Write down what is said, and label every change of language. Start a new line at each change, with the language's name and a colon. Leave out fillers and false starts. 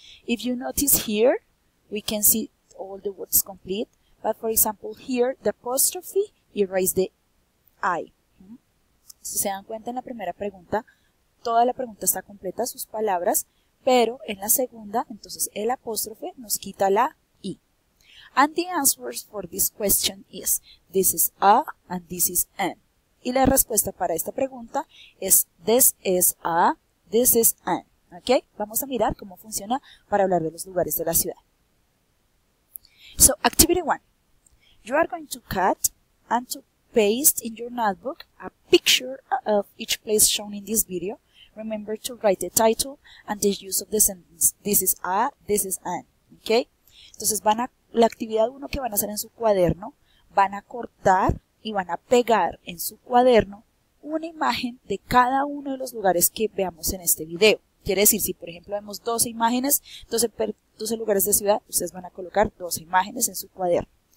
English: If you notice here, we can see all the words complete. But for example, here, the apostrophe erased the I.
Spanish: Si se dan cuenta, en la primera pregunta, toda la pregunta está completa, sus palabras, pero en la segunda, entonces, el apóstrofe nos quita la I.
English: And the answers for this question is, this is a and this is an.
Spanish: Y la respuesta para esta pregunta es,
English: this is a, this is an.
Spanish: ¿Ok? Vamos a mirar cómo funciona para hablar de los lugares de la ciudad.
English: So, activity one. You are going to cut and to paste in your notebook a picture of each place shown in this video. Remember to write the title and the use of the sentence. This is a, this is an. Okay?
Spanish: Entonces, van a la actividad 1 que van a hacer en su cuaderno, van a cortar y van a pegar en su cuaderno una imagen de cada uno de los lugares que veamos en este video. Quiere decir, si por ejemplo vemos 12 imágenes, 12 lugares de ciudad, ustedes van a colocar 12 imágenes en su cuaderno.